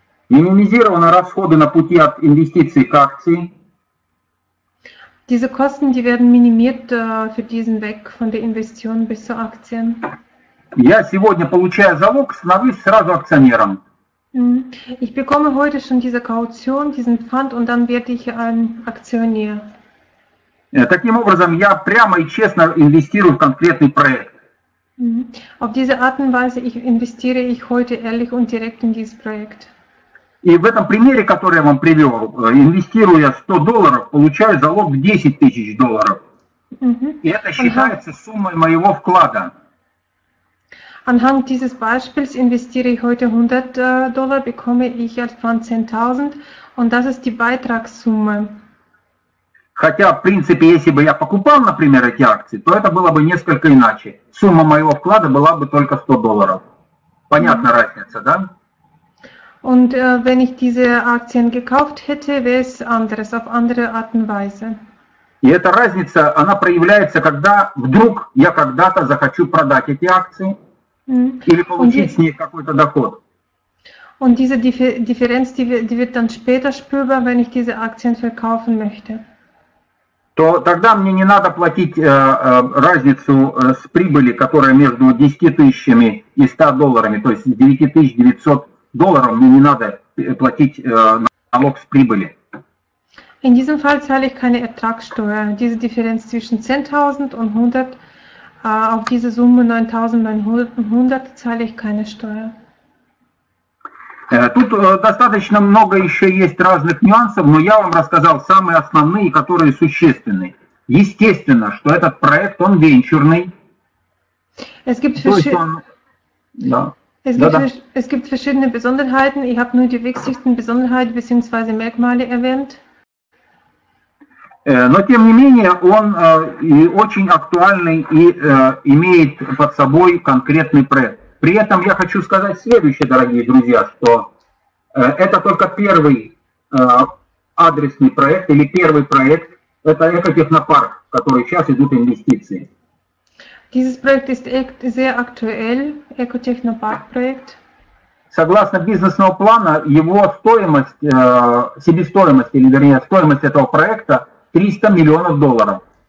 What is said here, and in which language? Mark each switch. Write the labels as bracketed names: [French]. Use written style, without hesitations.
[Russian] Минимизированы расходы на пути от инвестиции к акции. [German] Diese Kosten, die werden minimiert für diesen Weg von der Investition bis zur Aktien. [Russian] Я сегодня, получая залог, становлюсь сразу акционером. [German] Ich bekomme heute schon diese Kaution, diesen Pfand und dann werde ich ein Aktionär. [Russian] Таким образом, я прямо и честно инвестирую в конкретный проект. [German] Auf diese Art und Weise investiere ich heute ehrlich und direkt in dieses Projekt. [Russian] И в этом примере, который я вам привел, инвестируя $100, получаю залог $10 000. И это считается суммой моего вклада. [German] Anhand dieses Beispiels investiere ich heute 100 Dollar, bekomme ich als Pfand 10.000 und das ist die Beitragssumme. [Russian] Хотя, в принципе, если бы я покупал, например, эти акции, то это было бы несколько иначе. Сумма моего вклада была бы только $100. Понятна разница, да? [German] Und wenn ich diese Aktien gekauft hätte, wäre es anders, auf andere Art und Weise. [Russian] И эта разница, она проявляется, когда вдруг я когда-то захочу продать эти акции. Или получить с ней какой-то доход. [German] Und diese Differenz, die wird dann später spürbar, wenn ich diese Aktien verkaufen möchte. [Russian] То тогда мне не надо платить разницу с прибыли, которая между 10 тысячами и 100 долларами, то есть 9900 долларов мне не надо платить налог с прибыли. [German] In diesem Fall zahle ich keine Ertragssteuer. Diese Differenz zwischen 10.000 und 100 auf diese Summe 9.900 zahle ich keine Steuer. [Russian] Тут достаточно много еще есть разных нюансов, но я вам рассказал самые основные, которые существенны. Естественно, что этот проект, он венчурный. [German] Es gibt verschiedene Besonderheiten. Ich habe nur die wichtigsten Besonderheiten bzw. Merkmale erwähnt. [Russian] Но, тем не менее, он и очень актуальный и имеет под собой конкретный проект. При этом я хочу сказать следующее, дорогие друзья, что это только первый адресный проект или первый проект, это экотехнопарк, в который сейчас идут инвестиции. [German] Dieses Projekt ist sehr aktuell, Ecotechnopark-Projekt. [Russian] Согласно бизнесного плана, его стоимость, себестоимость, или вернее, стоимость этого проекта, 300 миллионов долларов.